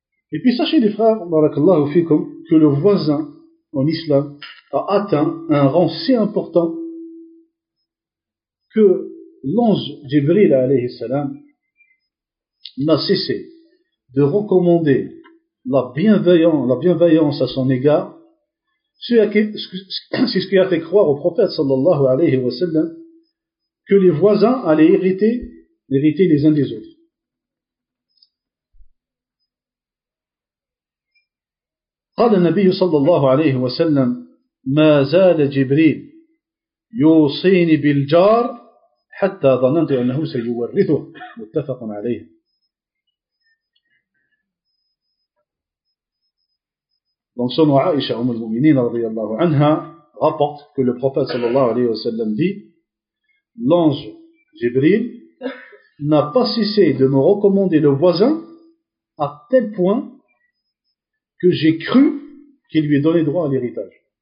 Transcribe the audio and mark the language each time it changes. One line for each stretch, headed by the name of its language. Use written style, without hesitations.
French: Et puis sachez les frères, barakallahu fikum, que le voisin en islam a atteint un rang si important que l'ange Jibril alayhi salam n'a cessé de recommander la bienveillance à son égard, c'est ce qui a fait croire au prophète sallallahu alayhi wa sallam que les voisins allaient hériter les uns des autres.
Arabic: قال النبي صلى الله عليه وسلم ما زال جبريل يوصيني بالجار حتى ظننت أنه سيورثه متفق عليه.
French: Donc selon Aïcha, Umm al-Mu'minin
Arabic: رضي الله عنها,
French: rapporte que le prophète صلى الله عليه وسلم dit, l'ange Jibril n'a pas cessé de me recommander le voisin à tel point que j'ai cru qu'il lui ait donné droit à l'héritage.